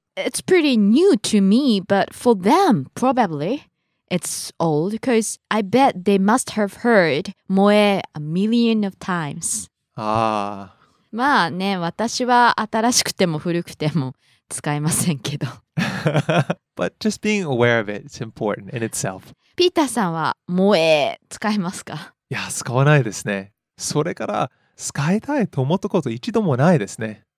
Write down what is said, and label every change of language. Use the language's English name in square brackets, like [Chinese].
[English] It's pretty new to me, but for them, probably, it's old, because I bet they must have heard 萌え a million of times. Ah. [Japanese] まあね、私は新しくても古くても使いませんけど。 [English] But just being aware of it is important in itself. [Japanese] ピーターさんは萌え使いますか? いや、使わないですね。それから、使いたいと思ったこと一度もないですね。